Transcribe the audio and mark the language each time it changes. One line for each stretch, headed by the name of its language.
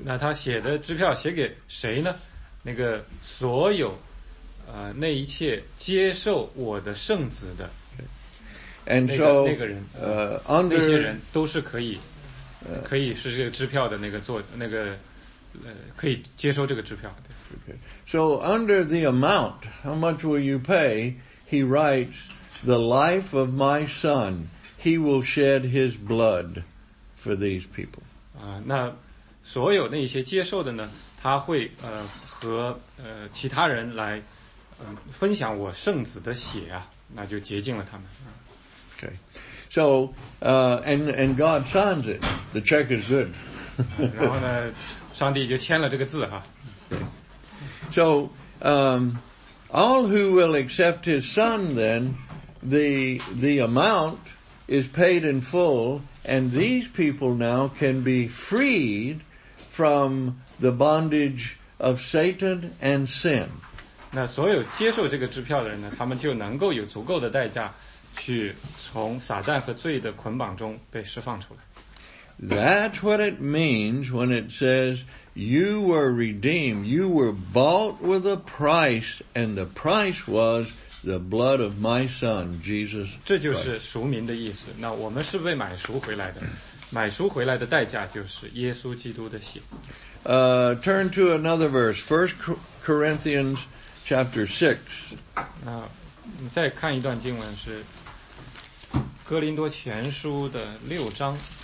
Chinese: 那他写的支票写给谁呢？那个所有那一切接受我的圣子的。
English: And so,
Chinese: 那些人都是可以。可以是这个支票的那个做那个可以接收这个支票。
English: Okay. So under the amount, how much will you pay? He writes, the life of my son, he will shed his blood for these people.
Chinese: 那所有那些接受的呢，他会和其他人来分享我圣子的血啊，那就洁净了他们。
English: Okay. So, and God signs it. The check is good.
Chinese: 然后呢，上帝就签了这个字哈。
English: So, all who will accept his son then, the amount is paid in full, and these people now can be freed from the bondage of Satan and sin.
Chinese: 那所有接受这个支票的人呢，他们就能够有足够的代价去从撒旦和罪的捆绑中被释放出来。
English: That's what it means when it says you were redeemed, you were bought with a price, and the price was the blood of my son, Jesus Christ.
Chinese: 这就是赎民的意思。那我们是被买赎回来的，买赎回来的代价就是耶稣基督的血。
English: Turn to another verse, 1 Corinthians chapter 6.
Chinese: 那你再看一段经文是哥林多前书的六章。